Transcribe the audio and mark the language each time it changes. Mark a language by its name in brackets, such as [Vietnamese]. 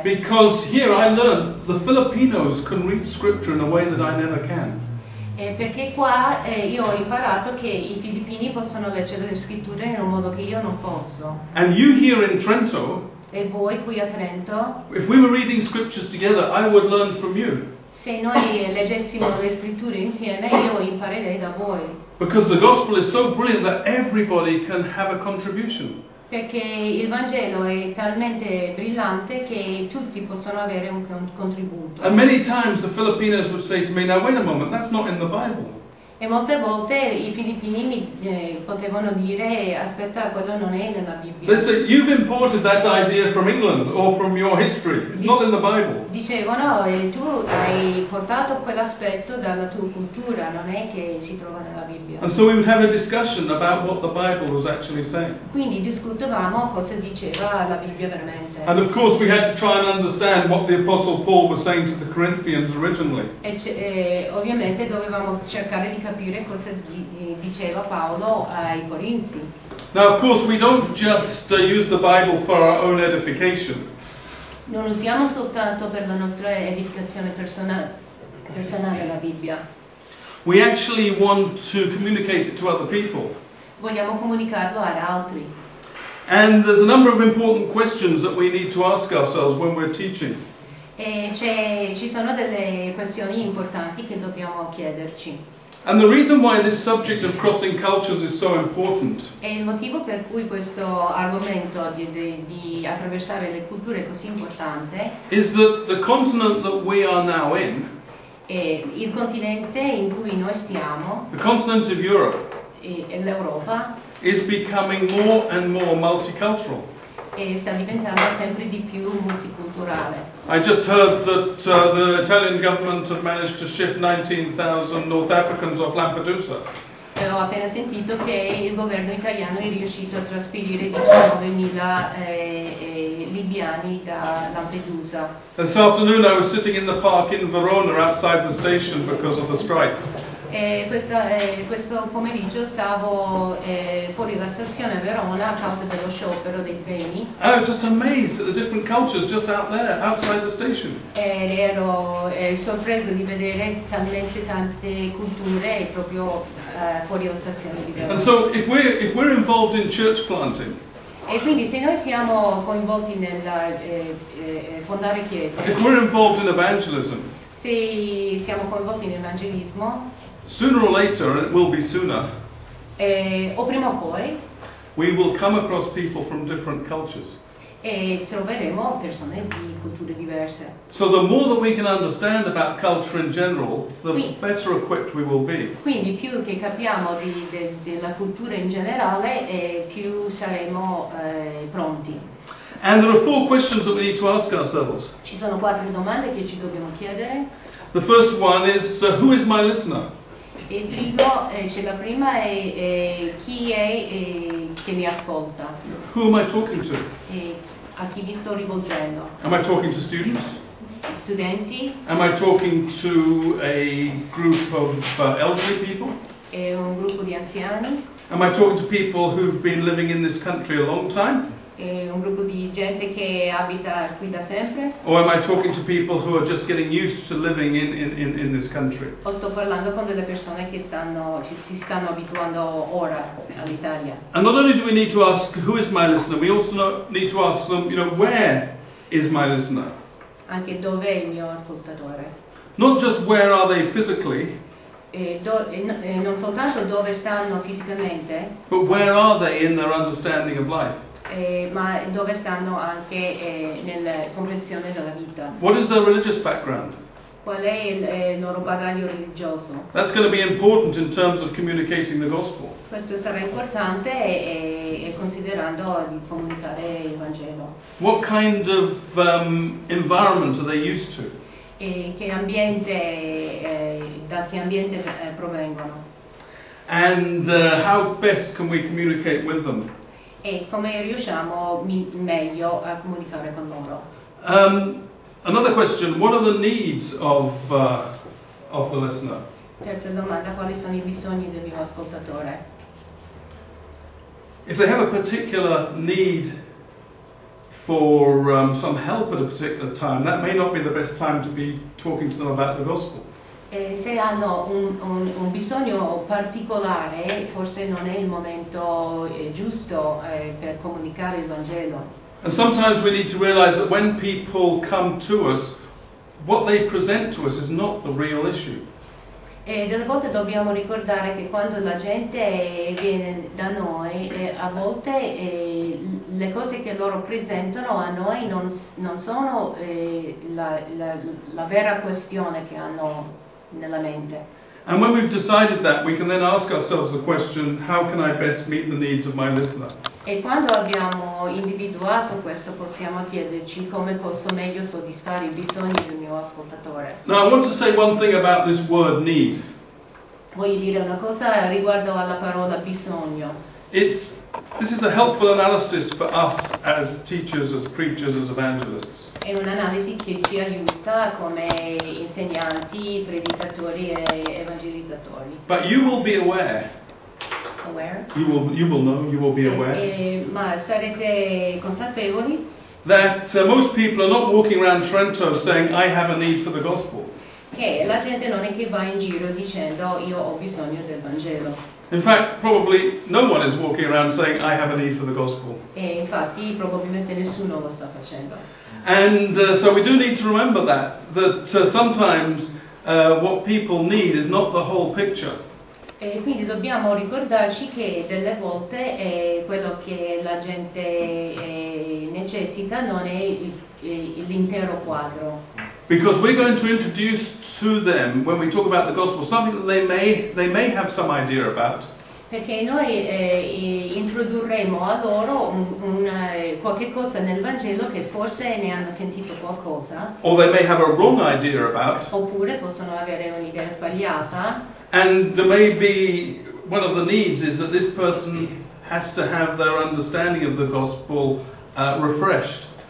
[English] Because here I learned the Filipinos can read scripture in a way that I never can. [Italian] E perché qua io ho imparato che i filippini possono leggere le scritture in un modo che io non posso. [English] And you here in Trento. [Italian] E voi qui a Trento. [English] If we were reading scriptures together, I would learn from you. [Italian] Se noi leggessimo le scritture insieme, io imparerei da voi. [English] Because the gospel is so brilliant that everybody can have a contribution. [Italian] Perché il Vangelo è talmente brillante che tutti possono avere un contributo. [English] And many times the Filipinos would say to me, "Now wait a moment, that's not in the Bible." [Italian] E molte volte i filippini mi potevano dire, aspetta, quello non è nella Bibbia. [English] They say, "You've imported that idea from England or from your history. It's not in the Bible." [Italian] Dicevano, tu hai portato quell'aspetto dalla tua cultura, non è che si trova nella Bibbia. [English] And so we would have a discussion about what the Bible was actually saying. [Italian] Quindi discutevamo cosa diceva la Bibbia veramente. [English] And of course we had to try and understand what the Apostle Paul was saying to the Corinthians originally. [Italian] E ovviamente dovevamo cercare di capire cosa diceva Paolo ai Corinzi. [English] Now of course we don't just use the Bible for our own edification. [Italian] Non usiamo soltanto per la nostra edificazione personale la Bibbia. [English] We actually want to communicate it to other people. [Italian] Vogliamo comunicarlo ad altri. [English] And there's a number of important questions that we need to ask ourselves when we're teaching. [Italian] E ci sono delle questioni importanti che dobbiamo chiederci. [English] And the reason why this subject of crossing cultures is so important. [Italian] E il motivo per cui questo argomento di attraversare le culture è così importante. [English] Is that the continent that we are now in. [Italian] E il continente in cui noi stiamo. [English] The continent of Europe. [Italian] E l'Europa. [English] Is becoming more and more multicultural. [Italian] E sta diventando sempre di più multiculturale. [English] I just heard that the Italian government have managed to shift 19,000 North Africans off Lampedusa. [Italian] Ho appena sentito che il governo italiano è riuscito a trasferire 19,000 libiani da Lampedusa. [English] This afternoon I was sitting in the park in Verona outside the station because of the strike. [Italian] Questo pomeriggio stavo fuori la stazione a Verona a causa dello sciopero dei treni. [English] I was just amazed at the different cultures just out there, outside the station. [Italian] Ero sorpreso di vedere talmente tante culture proprio fuori la stazione di Verona. [English] And so if we're involved in church planting. [Italian] E quindi se noi siamo coinvolti nel fondare chiese. [English] If we're involved in evangelism. [Italian] Se siamo coinvolti in evangelismo. [English] Sooner or later, and it will be sooner. [Italian] O prima o poi. [English] We will come across people from different cultures. [Italian] E troveremo persone di culture diverse. [English] So the more that we can understand about culture in general, the better equipped we will be. [Italian] Quindi più che capiamo della cultura in generale, più saremo pronti. [English] And there are four questions that we need to ask ourselves. [Italian] Ci sono quattro domande che ci dobbiamo chiedere. [English] The first one is, who is my listener? [Italian] E primo, cioè la prima è chi è che mi ascolta. [English] Who am I talking to? [Italian] A chi mi sto rivolgendo. [English] Am I talking to students? [Italian] Studenti. [English] Am I talking to a group of elderly people? [Italian] È un gruppo di anziani. [English] Am I talking to people who've been living in this country a long time? [Italian] un gruppo di gente che abita qui da sempre? [English] Or am I talking to people who are just getting used to living in this country? [Italian] O sto parlando con delle persone che si stanno abituando ora all'Italia? [English] And not only do we need to ask who is my listener, we also need to ask them, you know, where is my listener? [Italian] Anche dov'è il mio ascoltatore? [English] Not just where are they physically? [Italian] Non soltanto dove stanno fisicamente, [English] but where are they in their understanding of life? [Italian] Ma dove stanno anche nella comprensione della vita? [English] What is their religious background? [Italian] Qual è il loro bagaglio religioso? [English] That's going to be important in terms of communicating the gospel. [Italian] Questo sarà importante considerando di comunicare il Vangelo. [English] What kind of environment are they used to? [Italian] E che ambiente, da che ambiente provengono? [English] And how best can we communicate with them? [Italian] E come riusciamo meglio a comunicare con loro? [English] Another question: what are the needs of the listener? [Italian] Terza domanda: quali sono i bisogni del mio ascoltatore? [English] If they have a particular need for some help at a particular time, that may not be the best time to be talking to them about the gospel. [Italian] Se hanno un bisogno particolare, forse non è il momento giusto per comunicare il Vangelo. [English] And sometimes we need to realize that when people come to us, what they present to us is not the real issue. [Italian] E delle volte dobbiamo ricordare che quando la gente viene da noi, a volte le cose che loro presentano a noi non sono la vera questione che hanno nella mente. [English] And when we've decided that, we can then ask ourselves the question: how can I best meet the needs of my listener? [Italian] E quando abbiamo individuato questo, possiamo chiederci come posso meglio soddisfare i bisogni del mio ascoltatore. [English] Now I want to say one thing about this word need. [Italian] Voglio dire una cosa riguardo alla parola bisogno. [English] This is a helpful analysis for us as teachers, as preachers, as evangelists. [Italian] È un'analisi che ci aiuta come insegnanti, predicatori e evangelizzatori. [English] But you will be aware. You will be aware. [Italian] Ma sarete consapevoli? [English] That most people are not walking around Trento saying I have a need for the gospel. [Italian] Che la gente non è che va in giro dicendo io ho bisogno del Vangelo. [English] In fact, probably no one is walking around saying I have a need for the gospel. [Italian] E infatti probabilmente nessuno lo sta facendo. [English] And so we do need to remember that sometimes what people need is not the whole picture. [Italian] E quindi dobbiamo ricordarci che delle volte quello che la gente necessita non è l'intero quadro. [English] Because we're going to introduce to them, when we talk about the gospel, something that they may have some idea about. [Italian] Perché noi introdurremo a loro qualche cosa nel Vangelo che forse ne hanno sentito qualcosa. [English] Or they may have a wrong idea about. [Italian] Oppure possono avere un'idea sbagliata. [English] And there may be one of the needs is that this person has to have their understanding of the gospel refreshed.